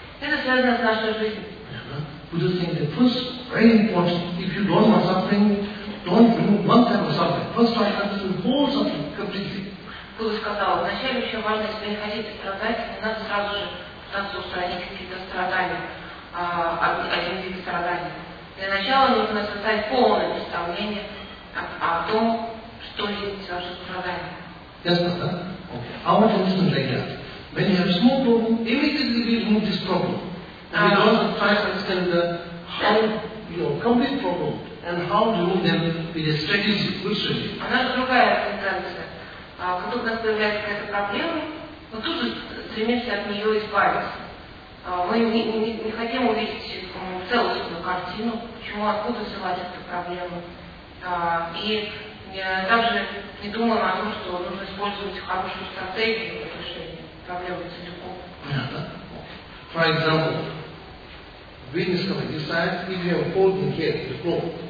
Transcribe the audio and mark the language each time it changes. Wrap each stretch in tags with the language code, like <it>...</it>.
<en>Buddha said that first, very important, if you don't want suffering, don't remove one type of suffering. First, try to understand the whole suffering completely.</en> <ru>Buddha сказал, вначале еще важно, если не хотите страдать, не надо сразу же пытаться устранить какие-то страдания, один вид страдания. Для начала нужно создать полное представление о том, что есть ваше страдание.</ru> <en>Yes, ma'am. Okay. I want to listen like that. When you have small problem, immediately remove this problem. And you don't have to try to understand the how your complete problem and how to remove them with a strategic question.</en> <ru>Как только появляется какая-то проблема, мы тут же стремимся от нее избавиться. Мы не хотим увидеть целостную картину, почему, откуда взялась эта проблема. И даже не думаем о том, что нужно использовать хорошую стратегию для решения проблемы целиком.</ru> <en>Yeah. For example, witness can decide if you are holding here the problem.</en>